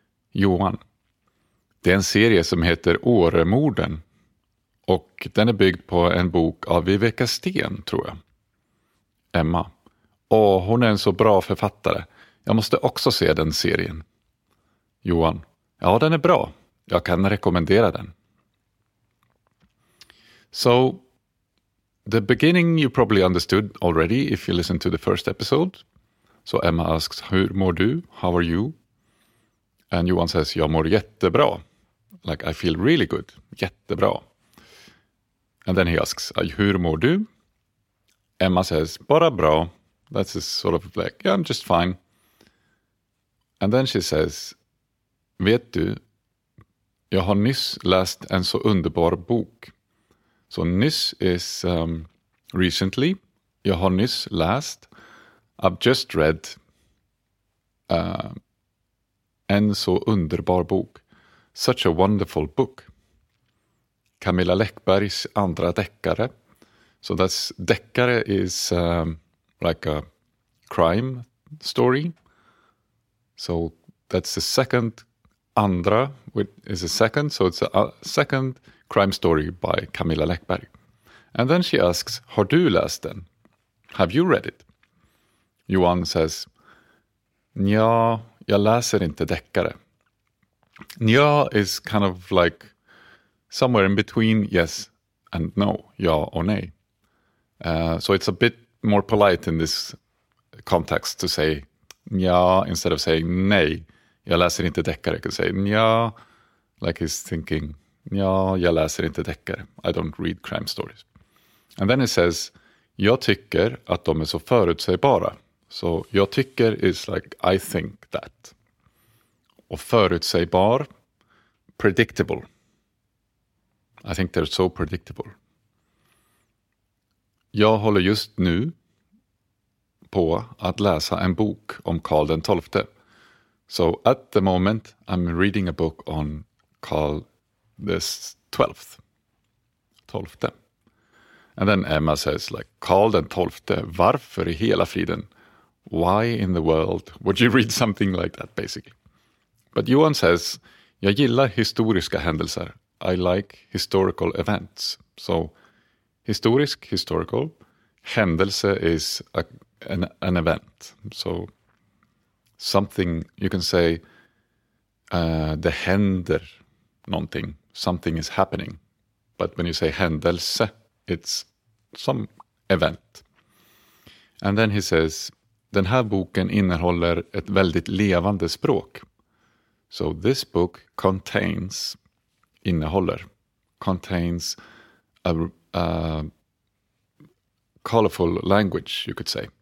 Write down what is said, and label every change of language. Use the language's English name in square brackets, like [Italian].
[Swedish] Johan, det är en serie som heter Åremorden. Och den är byggd på en bok av Viveka Steen, tror jag. Emma, åh, hon är en så bra författare. Jag måste också se den serien. Johan, ja, den är bra. Jag kan rekommendera den. [English] So, the beginning you probably understood already if you listened to the first episode. So Emma asks, [Swedish] hur mår du? [English] How are you? And Johan says, [Swedish] jag mår jättebra. [English] Like, I feel really good. Jättebra. And then he asks, [Swedish] hur mår du? [English] Emma says, [Swedish] bara bra. [English] That's a sort of like, yeah, I'm just fine. And then she says, [Swedish] vet du, jag har nyss läst en så underbar bok. [English] So nyss is recently. [Swedish] Jag har nyss läst. [English] I've just read [Swedish] en så underbar bok. [English] Such a wonderful book. [Swedish] Camilla Läckbergs andra deckare. [English] So that's deckare is like a crime story. So that's the second andra, which is a second. So it's a second crime story by Camilla Läckberg. And then she asks, [Swedish] har du läst den? [English] Have you read it? [Swedish] Johan says, nja, jag läser inte deckare. [English] Nja is kind of like somewhere in between yes and no, [Swedish] ja och nej. [English] So it's a bit more polite in this context to say nja instead of saying [Swedish] nej, jag läser inte deckare. [English] You can say nja, like he's thinking, [Swedish] ja, jag läser inte deckare. [English] I don't read crime stories. And then it says, [Swedish] jag tycker att de är så förutsägbara. [English] So, [Swedish] jag tycker [English] is like, I think that. [Swedish] Och förutsägbar, [English] predictable. I think they're so predictable. [Swedish] Jag håller just nu på att läsa en bok om Karl den XII. [English] So, at the moment, I'm reading a book on Karl this 12th. 12th. And then Emma says, like, Karl den XII, [Swedish] varför i hela friden? [English] Why in the world would you read something like that, basically? But Johan says, [Swedish] jag gillar historiska händelser. [English] I like historical events. So, historisk, historical. Händelse is an event. So, something, you can say, [Swedish] det händer någonting. [English] Something is happening. But when you say händelse, it's some event. And then he says, [Swedish] den här boken innehåller ett väldigt levande språk. [English] So this book contains, innehåller, contains a colorful language, you could say.